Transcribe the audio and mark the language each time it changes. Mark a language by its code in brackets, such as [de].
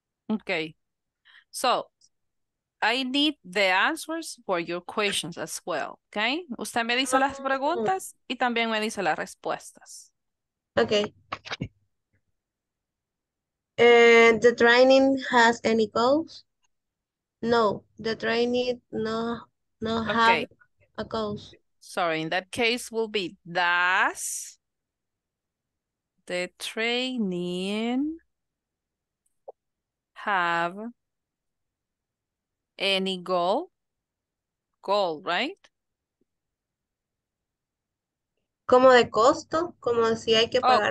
[en] Okay, so I need the answers for your questions as well. [es] Okay, usted me dice las preguntas y también me dice las respuestas. [en] Okay. The training has any cost? No, the training no have a cost. Sorry, in that case will be does the training have any goal? Goal, right? [es] Como de costo, como si hay que pagar.